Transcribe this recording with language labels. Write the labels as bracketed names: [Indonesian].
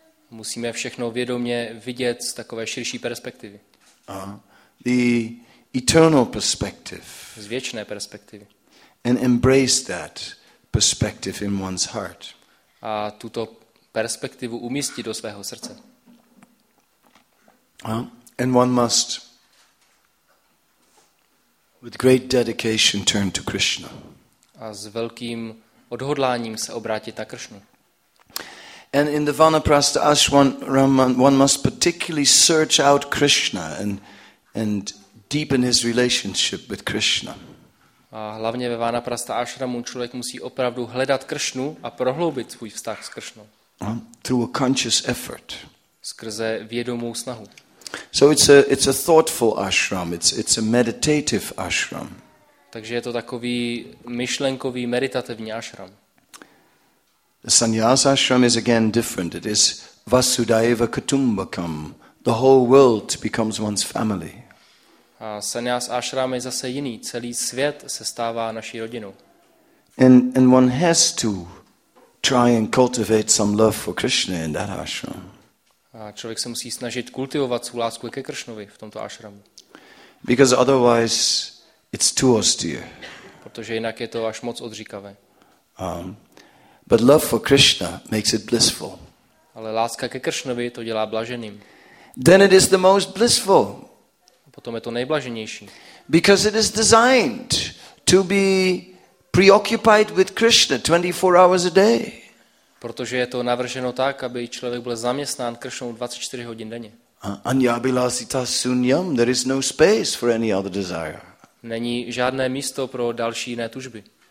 [Czech] Musíme všechno vědomě vidět z takové širší perspektivy. [English] The eternal perspective. [Czech] Z věčné perspektivy. [English] And embrace that perspective in one's heart. [Czech] A tuto perspektivu umístit do svého srdce. [English] And one must with great dedication turn to Krishna. [Czech] A s velkým odhodláním se obrátit na Kršnu. [English] And in the Vanaprastha Ashram one must particularly search out Krishna and deepen his relationship with Krishna. [Czech] A hlavně ve Vanaprastha Ashramu člověk musí opravdu hledat Kršnu a prohloubit svůj vztah s Kršnou. [English] Through a conscious effort. [Czech] Skrze vědomou snahu. [English] So it's a thoughtful ashram, it's a meditative ashram. [Czech] Takže je to takový myšlenkový meditativní ashram. [English] The sannyasa ashram is again different. It is [Sanskrit] Vasudeva Kutumbakam. [English] The whole world becomes one's family. [Czech] A sannyasa ashram je zase jiný. Celý svět se stává naší rodinou. [English] And one has to try and cultivate some love for Krishna in that ashram. [Czech] A člověk se musí snažit kultivovat svou lásku ke Kršnovi v tomto ashramu. [English] Because otherwise it's too austere. [Czech] Protože jinak je to až moc odříkavé. [English] But love for Krishna makes it blissful. [Czech] Ale láska ke Kršnovi to dělá blaženým. [English] Then it is the most blissful. [Czech] A potom je to nejblaženější. [English] Because it is designed to be preoccupied with Krishna 24 hours a day. [Czech] Protože je to navrženo tak, aby člověk byl zaměstnán Kršnou 24 hodin denně. [Sanskrit] Anyabilasita sunyam, [English] there is no space for any other desire. [Czech] Není žádné místo pro další jiné tužby.